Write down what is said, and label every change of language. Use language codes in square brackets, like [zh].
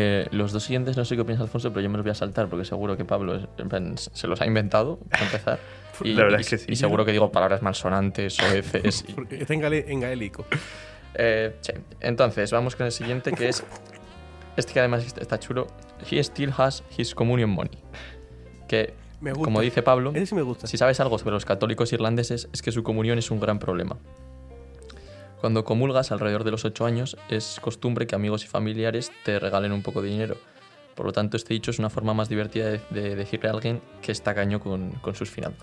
[es] Los dos siguientes no sé qué piensa Alfonso, pero yo me los voy a saltar porque seguro que Pablo se los ha inventado para empezar. Y, la verdad es que sí. Y seguro que digo palabras malsonantes o eces. Y... porque está en gaélico. Sí. Entonces, vamos con el siguiente, que es... Este que además está chulo. [en] He still has his communion money. [es] Que, me gusta. Como dice Pablo, ese sí me gusta. Si sabes algo sobre los católicos irlandeses, es que su comunión es un gran problema. Cuando comulgas alrededor de los 8 años, es costumbre que amigos y familiares te regalen un poco de dinero. Por lo tanto, este dicho es una forma más divertida de decirle a alguien que está caño con sus finanzas.